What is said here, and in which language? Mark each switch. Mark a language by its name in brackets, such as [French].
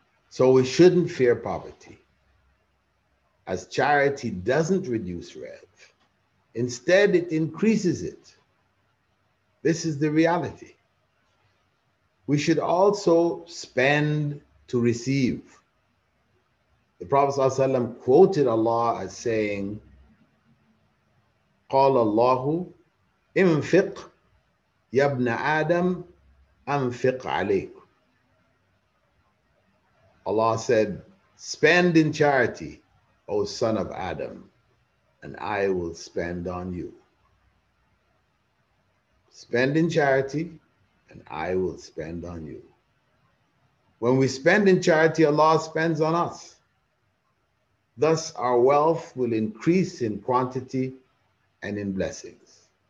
[English] So we shouldn't fear poverty, as charity doesn't reduce wealth. Instead, it increases it. This is the reality. We should also spend to receive. The Prophet ﷺ quoted Allah as saying, [Arabic] قال الله انفق يا ابن آدم انفق عليك. [English] Allah said, spend in charity, O son of Adam, and I will spend on you. Spend in charity, and I will spend on you. When we spend in charity, Allah spends on us. Thus, our wealth will increase in quantity and in blessings.